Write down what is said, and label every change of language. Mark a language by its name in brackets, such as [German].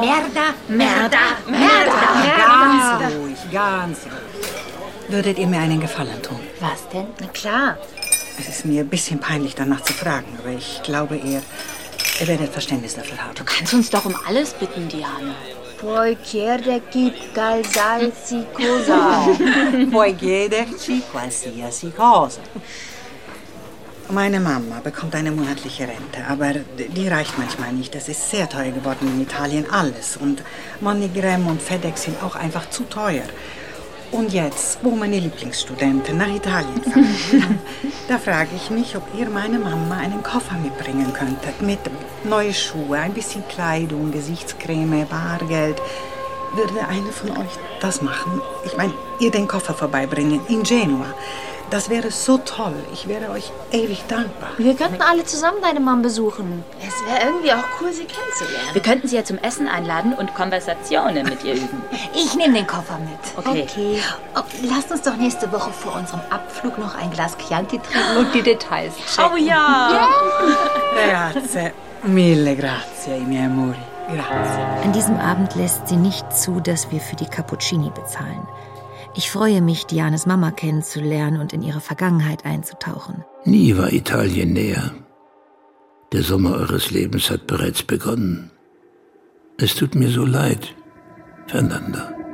[Italian] Merda, Merda, Merda, Merda. [German] Ganz ruhig, ganz ruhig. Würdet ihr mir einen Gefallen tun? Was denn? Na klar. Es ist mir ein bisschen peinlich, danach zu fragen, aber ich glaube, ihr werdet Verständnis dafür haben. Du kannst uns doch um alles bitten, Diane. [Italian] Poi chiede chi qualsiasi cosa. Poi chiederci qualsiasi cosa. [German] Meine Mama bekommt eine monatliche Rente, aber die reicht manchmal nicht. Das ist sehr teuer geworden in Italien, alles. Und MoneyGram und FedEx sind auch einfach zu teuer. Und jetzt, wo meine Lieblingsstudenten nach Italien fahren, da frage ich mich, ob ihr meine Mama einen Koffer mitbringen könntet. Mit neuen Schuhe, ein bisschen Kleidung, Gesichtscreme, Bargeld. Würde eine von euch das machen? Ich meine, ihr den Koffer vorbeibringen in Genua. Das wäre so toll. Ich wäre euch ewig dankbar. Wir könnten alle zusammen deinen Mann besuchen. Es wäre irgendwie auch cool, sie kennenzulernen. Wir könnten sie ja zum Essen einladen und Konversationen mit ihr üben. Ich nehme den Koffer mit. Okay. Oh, lasst uns doch nächste Woche vor unserem Abflug noch ein Glas Chianti trinken und die Details checken. Oh ja! [Italian] Grazie. Mille grazie, i miei amori. Grazie. [German] An diesem Abend lässt sie nicht zu, dass wir für die Cappuccini bezahlen. Ich freue mich, Dianes Mama kennenzulernen und in ihre Vergangenheit einzutauchen. Nie war Italien näher. Der Sommer eures Lebens hat bereits begonnen. Es tut mir so leid, Fernanda.